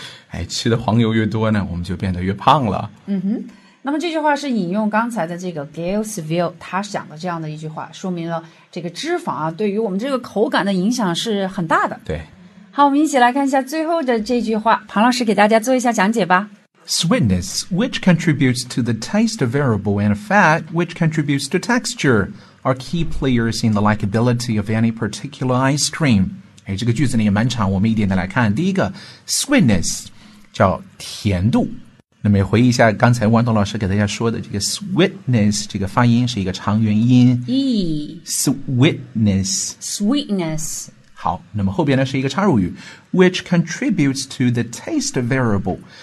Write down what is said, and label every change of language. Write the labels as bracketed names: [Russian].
[Chinese] 哎，吃的黄油越多呢，我们就变得越胖了。嗯哼，那么这句话是引用刚才的这个 Gail Seville 他讲的这样的一句话，说明了这个脂肪啊，对于我们这个口感的影响是很大的。对。好，我们一起来看一下最后的这句话，庞老师给大家做一下讲解吧。 [English] Sweetness, which contributes to the taste of arable and fat, which contributes to texture, are key players in the likability of any particular ice cream. [Chinese] 哎，这个句子呢也蛮长，我们一点点来看。第一个 ,sweetness, 叫甜度。那么回忆一下刚才豌豆老师给大家说的这个 sweetness, 这个发音是一个长元音。 E. [English] Sweetness. Sweetness. [Chinese] 好，那么后边呢是一个插入语 ， [English] which contributes to the taste variable.